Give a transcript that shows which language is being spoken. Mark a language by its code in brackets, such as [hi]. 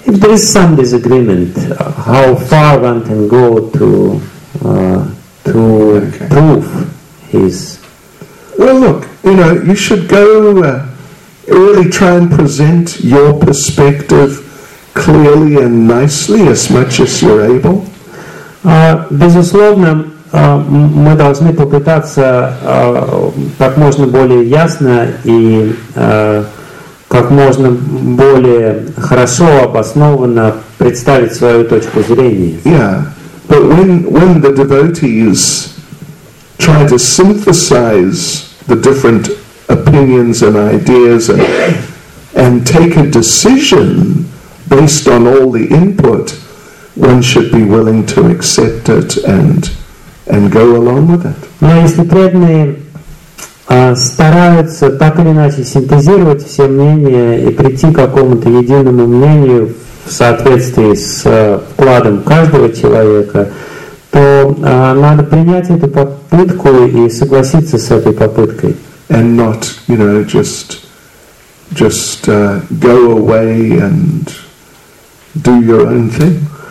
[en] If there is some disagreement, how far one can go to prove his. Well, look, you should go really try and present your perspective clearly and nicely as much as you're able. [ru] Безусловно, мы должны попытаться как можно более ясно и как можно более хорошо обоснованно представить свою точку зрения. [en] Yeah, but when the devotees try to synthesize the different opinions and ideas and take a decision based on all the input, one should be willing to accept it and go along with it. [ru] Но если преданные стараются так или иначе синтезировать все мнения и прийти к какому-то единому мнению в соответствии с вкладом каждого человека, то надо принять эту попытку и согласиться с этой попыткой. [en] And not, go away and do your own thing.